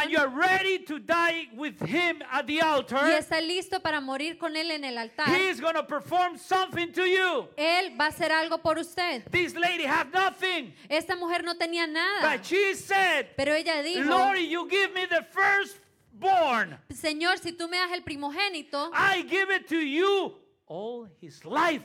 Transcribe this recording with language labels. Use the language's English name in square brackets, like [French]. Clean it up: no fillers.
[English] and you are ready to die with him at the altar, [Spanish] y está listo para morir con él en el altar, [English] he is going to perform something to you. [Spanish] Él va a hacer algo por usted. [English] This lady had nothing. [Spanish] Esta mujer no tenía nada. [English] But she said, [Spanish] pero ella dijo, [English] Lord, you give me the firstborn. [Spanish] Señor, si tú me das el primogénito, [English] I give it to you all his life.